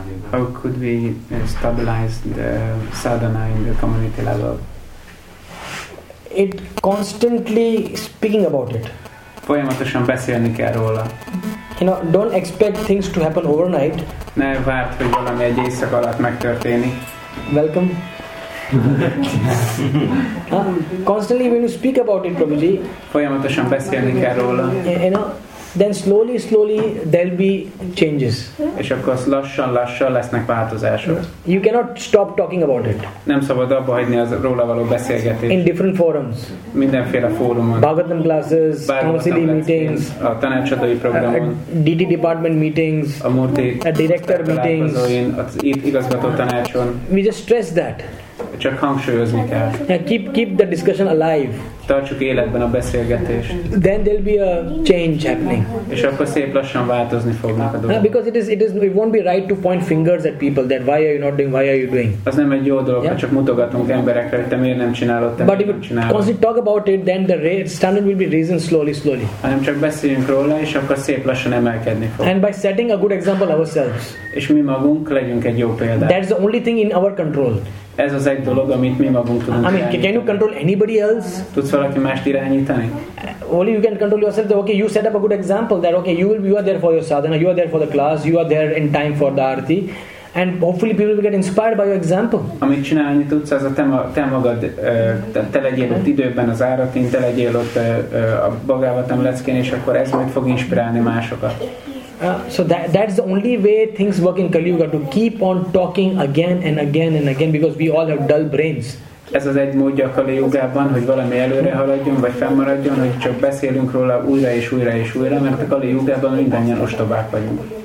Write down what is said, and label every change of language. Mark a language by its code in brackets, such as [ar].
[en] How could we stabilize the sadhana in the community level? It constantly speaking about it. [hu] Folyamatosan beszélni kell róla. [en] You know, don't expect things to happen overnight. [hu] Ne várt, hogy valami egy éjszak alatt megtörténik. [en] Welcome. Constantly when you speak about it, Prabhuji. [hu] Folyamatosan beszélni kell róla. [en] You know, then slowly there'll be changes. [hu] És akkor lassan lesznek változások. [en] You cannot stop talking about it. [hu] Nem szabad abba hagyni az róla való beszélgetést. [en] In different forums. [hu] Mindenféle fórumon. [en] Bhagavatam classes, Kamasili meetings. [hu] A tanácsadói programon. [en] DT department meetings. [hu] A Murti. [en] A director meetings. [hu] Itt igazgató tanácson. [en] We just stress that. [hu] Csak hangsúlyozni kell. [en] Yeah, keep the discussion alive. [hu] Tartsuk életben a beszélgetést. [en] Then there'll be a change happening. [hu] És akkor szép lassan változni fognak a dolgok. [en] Yeah, because it won't be right to point fingers at people that why are you not doing, why are you doing. [hu] Az nem egy jó dolog, yeah? Ha csak mutogatunk emberekre, hogy te miért nem csinálod, te [en] but [hu] miért nem csinálod. [en] Because you talk about it, then the standard will be risen slowly. [hu] Hanem csak beszéljünk róla, és akkor szép lassan emelkedni fog. [en] And by setting a good example ourselves. [hu] És mi magunk legyünk egy jó példa. [en] That's the only thing in our control. [hu] Ez az egy dolog, amit mi magunk tudunk irányítani. [en] Can you control anybody else? [hu] Tudsz valaki mást irányítani? [en] Only you can control yourself. That, okay, you set up a good example that okay, you are there for your sadhana, you are there for the class, you are there in time for the arati, and hopefully people will get inspired by your example. [hu] Amit csinálni tudsz, az a te magad, te legyél ott időben az áratin, te legyél ott a Bhagavatam leckén, és akkor ez majd fog inspirálni másokat. [en] So that's the only way things work in Kali Yuga, to keep on talking again and again and again, because we all have dull brains. [hu] Ez az egy módja a Kali Yugában, hogy valami előre haladjon, vagy fennmaradjon, hogy csak beszélünk róla újra és újra és újra, mert a Kali Yugában mindannyian ostobák vagyunk.